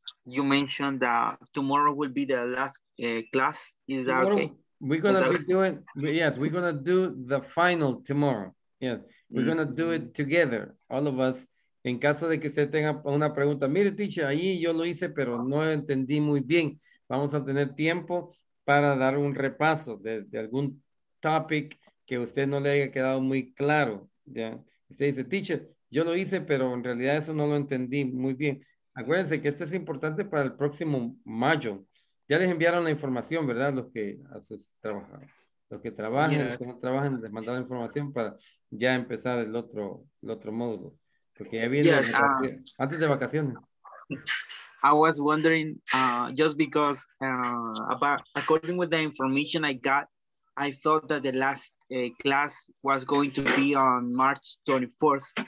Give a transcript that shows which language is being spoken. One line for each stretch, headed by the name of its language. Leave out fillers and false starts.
English: You mentioned that tomorrow will be the last class. Is that tomorrow, okay? We're gonna we're gonna do the final tomorrow. Yes, we're gonna do it together, all of us.
Spanish: En caso de que usted tenga una pregunta, mire, teacher, allí yo lo hice, pero no entendí muy bien. Vamos a tener tiempo para dar un repaso de algún topic que usted no le haya quedado muy claro. Ya, usted dice, teacher, yo lo hice, pero en realidad eso no lo entendí muy bien. Acuérdense que esto es importante para el próximo mayo. Ya les enviaron la información, ¿verdad? Los que trabajan, los que trabajan, los que no trabajan, les mandaron la información para ya empezar el otro módulo. Porque ya viene antes de vacaciones.
English: I was wondering, just because according with the information I got, I thought that the last class was going to be on March 24th.